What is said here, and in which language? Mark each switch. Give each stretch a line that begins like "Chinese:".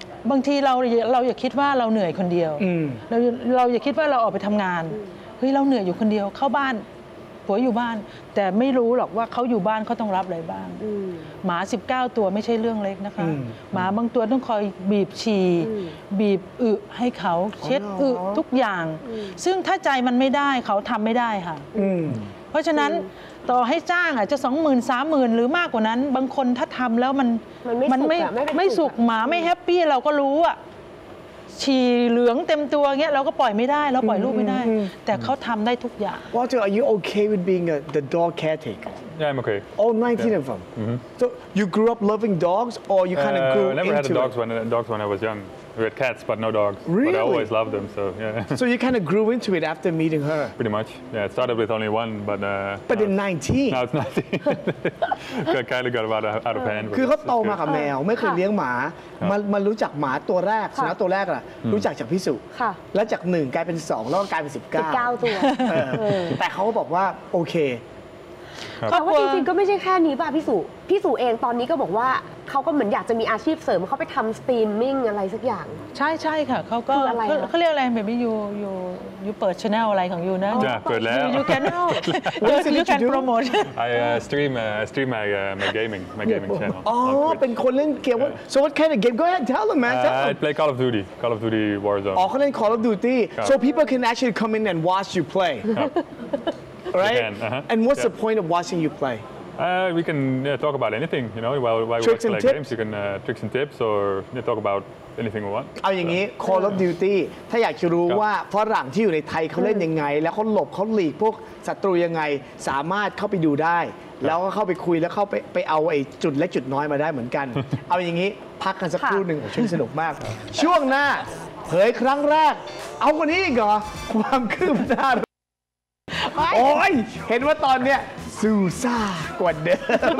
Thai: บางทีเราอย่าคิดว่าเราเหนื่อยคนเดียวเราอย่าคิดว่าเราออกไปทำงานเฮ้ยเราเหนื่อยอยู่คนเดียวเข้าบ้านผัวอยู่บ้านแต่ไม่รู้หรอกว่าเขาอยู่บ้านเขาต้องรับอะไรบ้างหมา19ตัวไม่ใช่เรื่องเล็กนะคะหมาบางตัวต้องคอยบีบฉี่บีบอึให้เขาเช็ดอึทุกอย่างซึ่งถ้าใจมันไม่ได้เขาทำไม่ได้ค่ะเพราะฉะนั้นต่อให้จ้างอาจจะ 20,000 30,000 หรือมากกว่านั้นบางคนถ้าทำแล้วมัน ไม่ สุขหมาไม่แฮปปี้เราก็รู้อะฉี่เหลืองเต็มตัวเงี้ยเราก็ปล่อยไม่ได้เราปล่อยลูกไม่ได้แต่เขาทำได้ทุกอย่าง ว่าจะ
English: Are you okay with being the dog caretaker Yeah I'm okay All 19 of them So you grew up loving dogs or you kind of grew into I never had dogs when I was young We had cats but no dogs Really But I always loved them so yeah So you kind of grew into it after meeting her Pretty much Yeah it started with only one but But in 19 Now it's 19 Kind of got about out of hand
Thai: คือเขาโตมากับแมวไม่เคยเลี้ยงหมามันรู้จักหมาตัวแรกสุนัขตัวแรกล่ะรู้จักจากพี่สุ ค่ะ แล้วจาก1กลายเป็น2แล้วก็กลายเป็น19 ตัว แต่เขาบอกว่าโอเค เพราะว่าจริงๆก็ไม่ใช่แค่นี้ป่ะพี่สุเองตอนนี้ก็บอกว่าเขาก็เหมือนอยากจะมีอาชีพเสริมเขาไปทำสตรีมมิ่งอะไรสักอย่าง ใช่ใช่ค่ะเขาก็ อะไร เขาเรียกอะไรแบบนี้อยู่เปิดช แ นลอะไรของยูนะ จ้าเปิดแล้ว ยูแคนเนลยูแคนโปรโมท
English: I stream my gaming channel
Thai: อ๋อเป็นคนเล่นเกม
English: so what kind of game go ahead tell them man I play Call of Duty Warzone
Thai: อ๋อเขาเล่น
English: Call of Duty so people can actually come in and watch you play Right, uh-huh. and what's the point of watching you play? We can talk about anything, you know. While tricks we and play tips. Games, you can tricks and tips or talk about anything we want.
Thai: เอาอย่างนี้ Call of Duty ถ้าอยากจะรู้ว่าฝรั่งที่อยู่ในไทยเขาเล่นยังไงแล้วเขาหลบเขาหลีกพวกศัตรูยังไงสามารถเข้าไปดูได้แล้วก็เข้าไปคุยแล้วเข้าไปเอาไอ้จุดและจุดน้อยมาได้เหมือนกันเอาอย่างนี้พักกันสักครู่หนึ่งช่วงสนุกมากช่วงหน้าเผยครั้งแรกเอากว่านี้อีกเหรอความคืบหน้าโอ้ยเห็นว่าตอนเนี้ยซูซ่ากว่าเดิม